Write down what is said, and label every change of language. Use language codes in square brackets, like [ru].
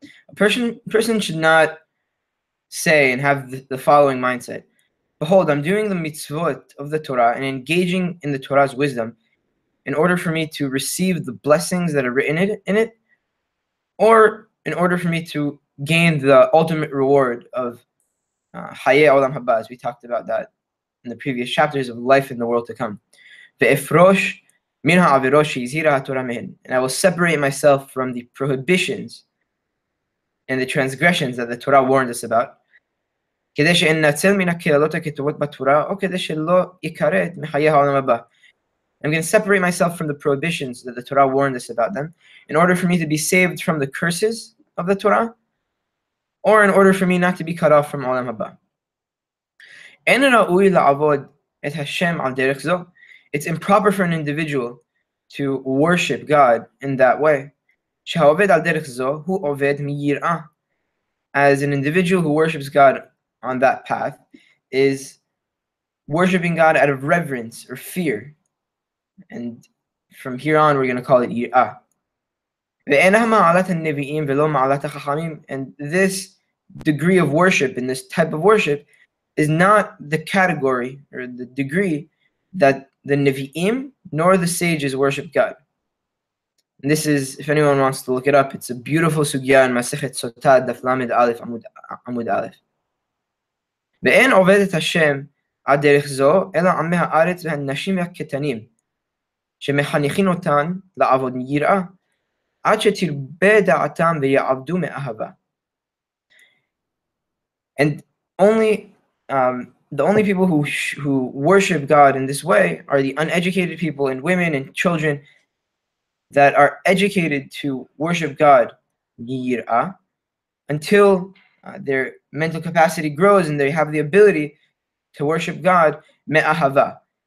[en] A person should not say and have the following mindset: behold, I'm doing the mitzvot of the Torah and engaging in the Torah's wisdom in order for me to receive the blessings that are written in it, or in order for me to gain the ultimate reward of Hayei Olam Haba, as we talked about that in the previous chapters of life in the world to come. [he] Ve'efrosh min ha'averosh she'izhira ha'Torah mehen. [en] And I will separate myself from the prohibitions and the transgressions that the Torah warned us about, [he] כדי שאין נצל מן הקללות הכתובות בתורה, או כדי שלא יקרת מחיי העולם הבא. [en] I'm going to separate myself from the prohibitions that the Torah warned us about them, in order for me to be saved from the curses of the Torah, or in order for me not to be cut off from העולם הבא. [he] אין ראוי לעבוד את השם על דרך זו. [en] It's improper for an individual to worship God in that way. [he] שהעובד על דרך זו הוא עובד מיראה. [en] As an individual who worships God on that path is worshiping God out of reverence or fear. And from here on, we're going to call it yir'ah. And this degree of worship and this type of worship is not the category or the degree that the nevi'im nor the sages worship God. And this is, if anyone wants to look it up, it's a beautiful sugya in Masechet Sotah, Daf Lamed Aleph, Amud Aleph. [he] ואין עובד את השם עד דרך זו, אלא עמי הארץ והנשים והקטנים, שמחניכים אותן לעבוד מיראה, עד שתרבה דעתם ויעבדו מאהבה. [en] And only the only people who worship God in this way are the uneducated people and women and children that are educated to worship God מיראה, until their mental capacity grows and they have the ability to worship God me'ahava.